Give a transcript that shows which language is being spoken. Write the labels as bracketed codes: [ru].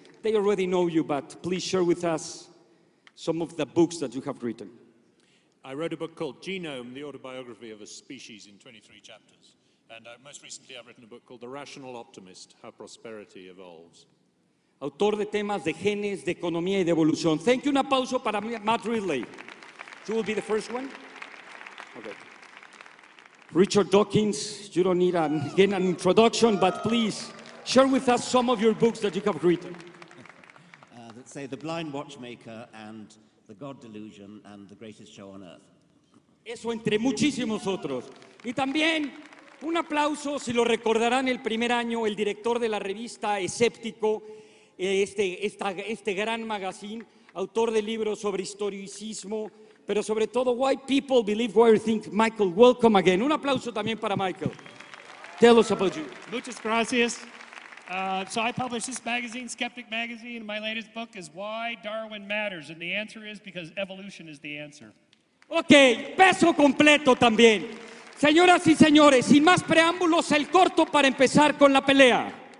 [en] They already know you, but please share with us some of the books that you have written. I wrote a book called Genome, the Autobiography of a Species in 23 chapters. And most recently I've written a book called The Rational Optimist, How Prosperity Evolves. [es] Autor de temas de genes, de economía y de evolución. [en] Thank you, [es] un aplauso para [en] Matt Ridley. You will be the first one. Okay. Richard Dawkins, you don't need an introduction, but please share with us some of your books that you have written. That say The Blind Watchmaker and The God Delusion and The Greatest Show on Earth. [es] Eso entre muchísimos otros. Y también un aplauso, si lo recordarán el primer año, el director de la revista Escéptico, este gran magazine, autor de libros sobre historicismo, pero sobre todo Why People Believe What You Think. [en] Michael, welcome again. [es] Un aplauso también para Michael. [en] Tell us about you. [es] Muchas gracias. [en] So I published this magazine, Skeptic Magazine, and my latest book is Why Darwin Matters, and the answer is because evolution is the answer. [es] Okay, peso completo también. Señoras y señores, sin más preámbulos, el corto para empezar con la pelea.